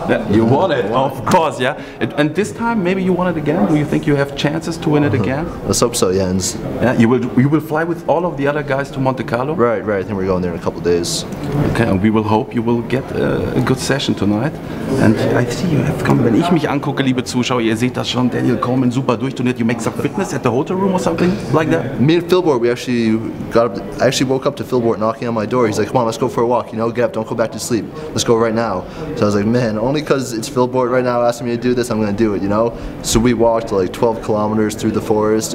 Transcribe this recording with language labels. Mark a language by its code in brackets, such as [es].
[en] Yeah, you won it, won of it. Course, yeah. And this time maybe you won it again? Do you think you have chances to win it again? Let's hope so, Jens. Yeah, you will fly with all of the other guys to Monte Carlo? Right, I think we're going there in a couple of days. Okay, and we will hope you will get a good session tonight. And I see you have come. [de] Wenn ich mich angucke, liebe Zuschauer, ihr seht das schon, Daniel Colman super durchtrainiert. [en] You make some fitness at the hotel room or something like that? Me and Philbert, I actually woke up to Philbert knocking on my door. He's like, come on, let's go for a walk. You know, get up, don't go back to sleep. Let's go right now. So I was like, man, only because it's Philbert right now asking me to do this, I'm going to do it, you know? So we walked like 12 kilometers through the forest.